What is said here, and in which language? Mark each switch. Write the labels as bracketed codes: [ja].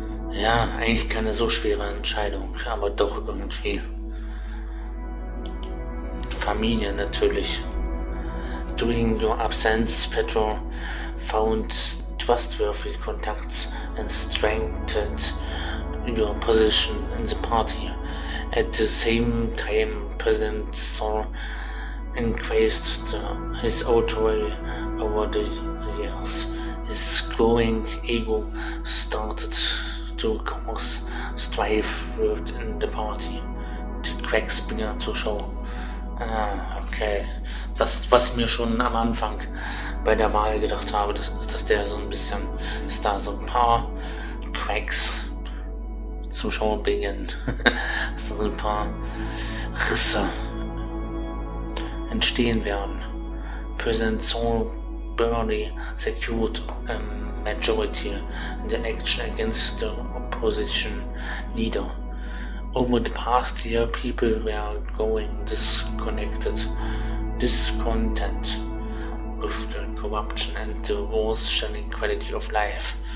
[de] Ja, eigentlich keine so schwere Entscheidung, aber doch irgendwie. Familie natürlich. [en] During your absence, Petro found trustworthy contacts and strengthened your position in the party. At the same time, President Saul increased his authority over the years. His growing ego started to cause strife within the party. The cracks began to show. Ah, okay. [de] Was ich mir schon am Anfang bei der Wahl gedacht habe, dass der so ein bisschen, dass da so ein paar Cracks zu Schau bringen. Dass da so ein paar Risse entstehen werden. [en] President Saul barely secured a majority in the election against the opposition leader. Over the past year, people were growing discontent with the corruption and the worsening quality of life.